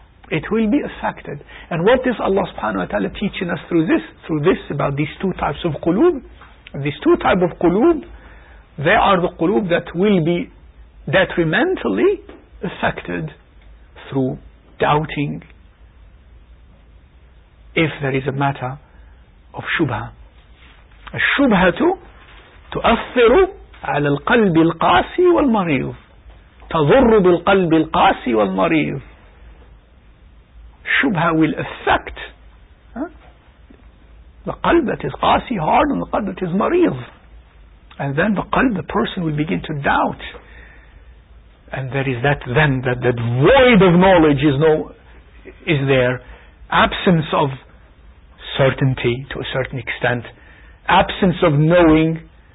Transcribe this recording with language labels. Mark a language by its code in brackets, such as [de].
[en] It will be affected. And what is Allah subhanahu wa ta'ala teaching us through this, about these two types of qulub? These two types of qulub, they are the qulub that will be detrimentally affected through doubting if there is a matter of shubha. [ar] الشبهة تؤثر على القلب القاسي والمريض, تضر بالقلب القاسي والمريض. [en] شبهة will affect the قلب that is قاسي, hard, and the قلب that is مريض. And then the قلب, the person will begin to doubt, and there is that void of knowledge is there, absence of certainty to a certain extent, absence of knowing.